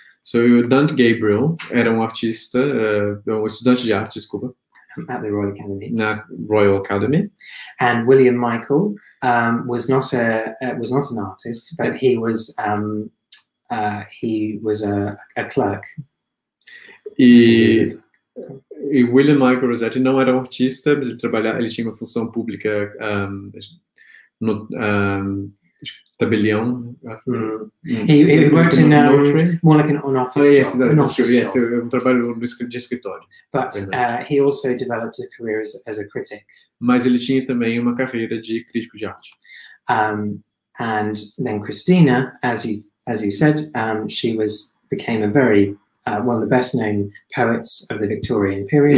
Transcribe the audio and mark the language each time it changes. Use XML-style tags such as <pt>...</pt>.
<pt>So Dante Gabriel era um artista, um estudante de arte, desculpa.</pt> <en>At the Royal Academy.</en> <pt>Na Royal Academy.</pt> <en>And William Michael was not an artist, but he was a clerk.</en> <pt>E William Michael Rossetti não era um artista, mas ele tinha uma função pública no tabelião.</pt> <en>He worked in a more like an office job.</en> <pt>Um trabalho de escritório.</pt> <en>But he also developed a career as a critic.</en> <pt>Mas ele tinha também uma carreira de crítico de arte.</pt> <en>And then Christina, as you said, she became a very one of the best known poets of the Victorian period.</en>